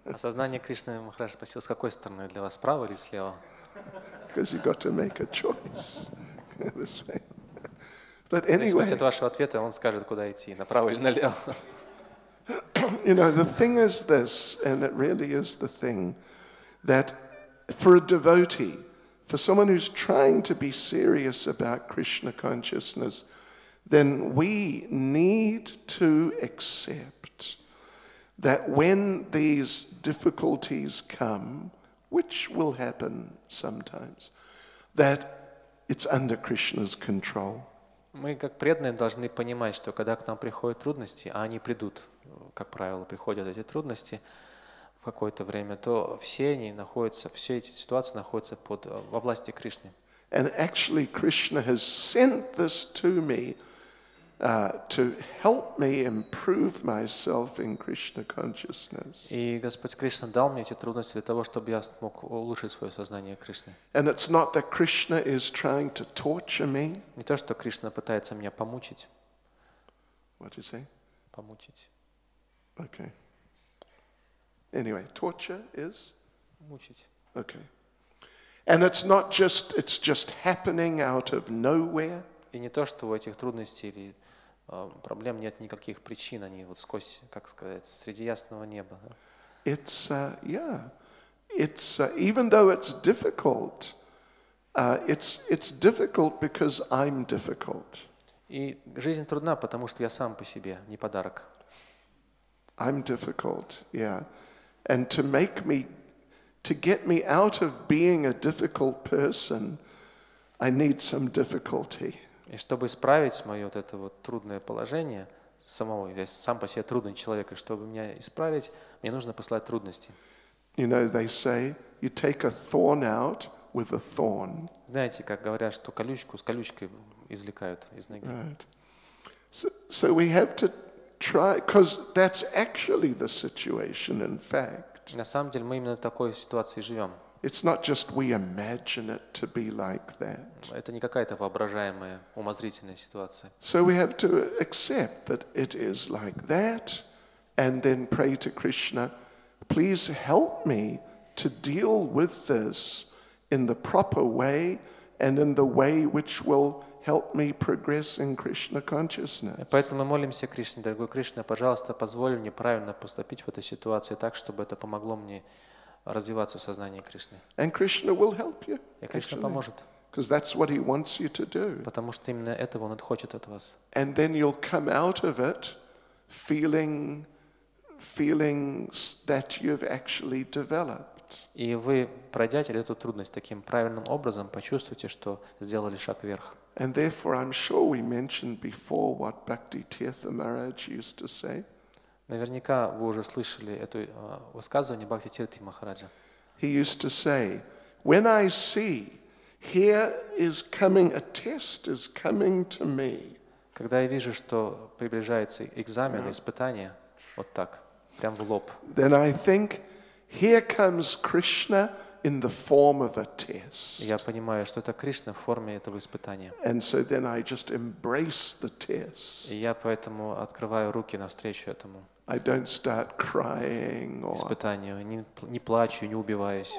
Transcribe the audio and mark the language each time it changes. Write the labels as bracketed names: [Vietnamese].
[Russian] Осознание Кришны, Махарадж спросил, с какой стороны для вас, справа или слева? [English] Because you've got to make a choice this way. But anyway. [Russian] От вашего ответа он скажет, куда идти, направо или налево. [English] You know, the thing is this, and it really is the thing, that for a devotee, for someone who's trying to be serious about Krishna consciousness, then we need to accept that when these difficulties come, which will happen sometimes, that it's under Krishna's control. [Russian] Мы, как преданные, должны понимать, что когда к нам приходят трудности, а они придут, как правило, приходят эти трудности в какое-то время, то все они находятся, все эти ситуации находятся под, во власти Кришны. [English] And actually Krishna has sent this to me to help me improve myself in Krishna consciousness. [Russian] И Господь Кришна дал мне эти трудности для того, чтобы я смог улучшить свое сознание Кришны. [English] And it's not that Krishna is trying to torture me. [Russian] Не то, что Кришна пытается меня помучить. [English] What did you say? [Russian] Помучить. [English] Okay. Anyway, torture is? [Russian] Мучить. [English] Okay. And it's not just, it's just happening out of nowhere. [Russian] И не то, что у этих трудностей или проблем нет никаких причин, они вот сквозь, как сказать, среди ясного неба. [English] It's yeah, it's even though it's difficult, it's difficult because I'm difficult. [Russian] И жизнь трудна, потому что я сам по себе, не подарок. [English] I'm difficult, yeah, and to make me, to get me out of being a difficult person, I need some difficulty. [Russian] И чтобы исправить мое вот это вот трудное положение самого, я сам по себе трудный человек, и чтобы меня исправить, мне нужно послать трудности. [English] You know, they say, you take a thorn out with a thorn. [Russian] Знаете, как говорят, что колючку с колючкой извлекают из ноги. [English] Right. So we have to try, because that's actually the situation, in fact. [Russian] На самом деле мы именно в такой ситуации живем. [English] It's not just we imagine it to be like that. [Russian] Это не какая-то воображаемая умозрительная ситуация. [English] So we have to accept that it is like that, and then pray to Krishna, please help me to deal with this in the proper way and in the way which will help me progress in Krishna consciousness. [Russian] Поэтому мы молимся Кришне, дорогой Кришна, пожалуйста, позволь мне правильно поступить в этой ситуации так, чтобы это помогло мне развиваться в сознании Кришны. [English] And Krishna will help you. [Russian] И Кришна поможет. [English] Because that's what he wants you to do. [Russian] Потому что именно этого он хочет от вас. [English] And then you'll come out of it feeling that you've actually developed. [Russian] И вы, пройдя через эту трудность таким правильным образом, почувствуете, что сделали шаг вверх. [English] And therefore I'm sure we mentioned before what Bhakti Tirtha Maharaj used to say. [Russian] Наверняка вы уже слышали это высказывание Бхакти Тирти Махараджа. [English] He used to say, when I see, here is coming, a test is coming to me. [Russian] Когда я вижу, что приближается экзамен, испытание, вот так, прям в лоб. [English] Then I think, here comes Krishna in the form of a test. [Russian] Я понимаю, что это Кришна в форме этого испытания. [English] And so then I just embrace the test. [Russian] И я поэтому открываю руки навстречу этому. [English] I don't start crying or [Russian] испытанию, не плачу, не убиваюсь.